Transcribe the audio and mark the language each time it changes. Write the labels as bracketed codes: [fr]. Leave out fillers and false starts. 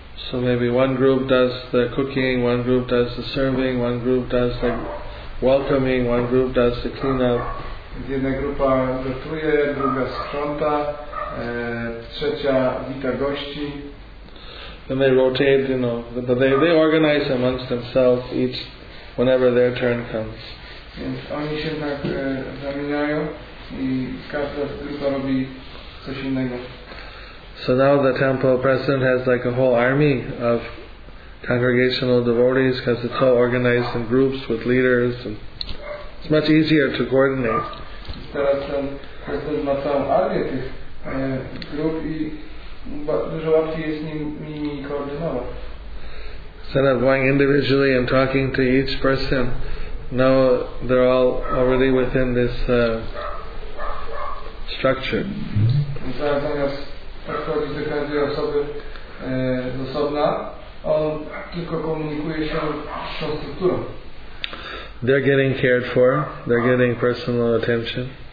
[en] So maybe one group does the cooking, one group does the serving, one group does the welcoming, one group does the cleanup. [pl] Jedna grupa gotuje, druga sprząta, trzecia wita gości. [en] Then they rotate, you know, but they organize amongst themselves each whenever their turn comes. [pl] Więc oni się tak zamieniają i każda grupa robi coś innego. [en] So now the temple president has like a whole army of congregational devotees because it's all organized in groups with leaders and it's much easier to coordinate. [pl] Teraz ten prezydent ma całą armię tych grup i dużo łatwiej jest nimi koordynować. [en] Instead of going individually and talking to each person, now they're all already within this structure. [pl] Zamiast podchodzić do każdej osoby z osobna, on tylko komunikuje się z tą strukturą. [en] They're getting cared for. They're getting personal attention.